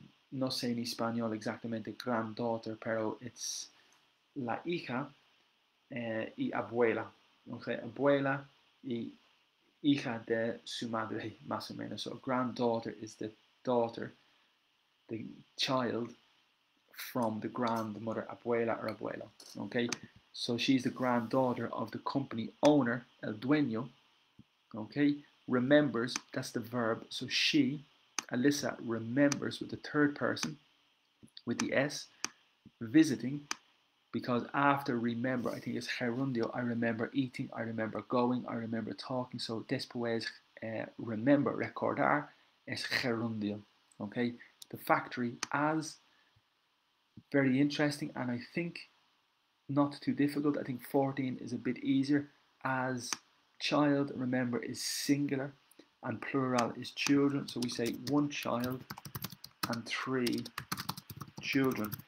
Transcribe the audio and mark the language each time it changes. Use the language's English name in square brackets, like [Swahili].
[Spanish] No sé en español exactamente granddaughter, pero it's la hija y abuela. Okay, abuela y hija de su madre, más o menos. [English] So granddaughter is the daughter, the child from the grandmother, abuela or abuelo. Okay, so she's the granddaughter of the company owner, [Spanish] el dueño. [English] Okay, remembers, that's the verb. So she, Alyssa, remembers with the third person, with the S, visiting. Because after remember, I think it's gerundio, I remember eating, I remember going, I remember talking. [Spanish] So después remember, recordar, es gerundio. [English] Okay, the factory as, very interesting, and I think not too difficult. I think 14 is a bit easier. As child, remember, is singular, and plural is children. So we say one child and three children.